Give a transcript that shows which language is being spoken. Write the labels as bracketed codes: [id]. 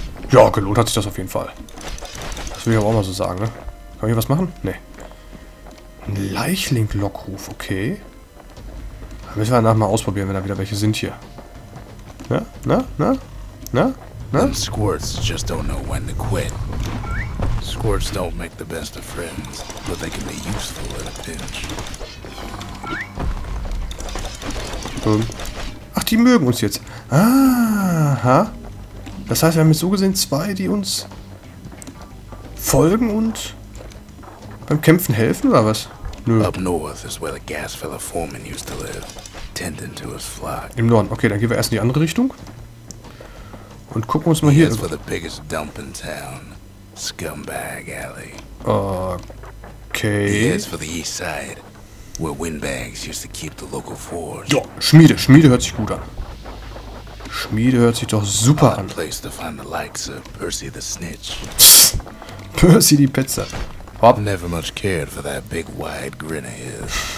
[de] Ja, gelohnt hat sich das auf jeden Fall. Das will ich aber auch mal so sagen, ne? Kann ich hier was machen? Nee. Ein Leichling-Lockruf, okay. Dann müssen wir danach mal ausprobieren, wenn da wieder welche sind hier. Ne? Ne? Ne? Ne? Ne? [en] Squirts just don't know when to quit. Squirts don't make the best of friends, but they can be useful in a pinch. [de] Ach, die mögen uns jetzt. Ah, ha? Das heißt, wir haben jetzt so gesehen zwei, die uns folgen und beim Kämpfen helfen, oder was? Nö. [en] Up north is where the gas fella foreman used to live, tending to his flock. [de] Im Norden. Okay, dann gehen wir erst in die andere Richtung. Und gucken uns mal hier. [en] Here's where the biggest dump in town. Scumbag Alley. [de] Okay. [en] Here's for the east side, where windbags used to keep the local forge. [de] Jo, Schmiede. Schmiede hört sich gut an. Schmiede hört sich doch super an. [en] Place to find the likes of Percy the Snitch. [de] Percy die Pizza. Hop. [en] Never much cared for that big wide grin of his.